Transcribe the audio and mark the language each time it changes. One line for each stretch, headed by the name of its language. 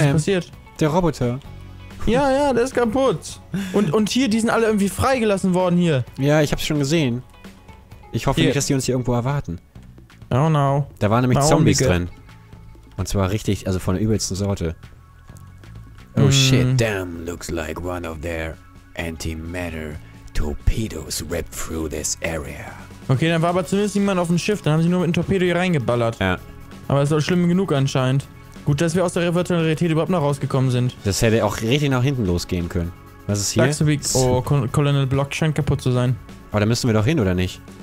German: Was ist passiert? Der Roboter. Ja, der ist kaputt. Und hier, die sind alle irgendwie freigelassen worden hier. Ja, ich hab's schon gesehen. Ich hoffe nicht, dass die uns hier irgendwo erwarten.
English: Oh no.
German: Da waren nämlich Zombies drin. Und zwar richtig, also von der übelsten Sorte.
English: Oh shit, damn, looks like one of their antimatter torpedoes ripped through this area.
German: Okay, dann war aber zumindest niemand auf dem Schiff, dann haben sie nur mit einem Torpedo hier reingeballert. Ja. Aber es ist auch schlimm genug anscheinend. Gut, dass wir aus der virtuellen Realität überhaupt noch rausgekommen sind. Das hätte auch richtig nach hinten losgehen können. Was ist hier? Colonel Block scheint kaputt zu sein. Aber da müssen wir doch hin, oder nicht?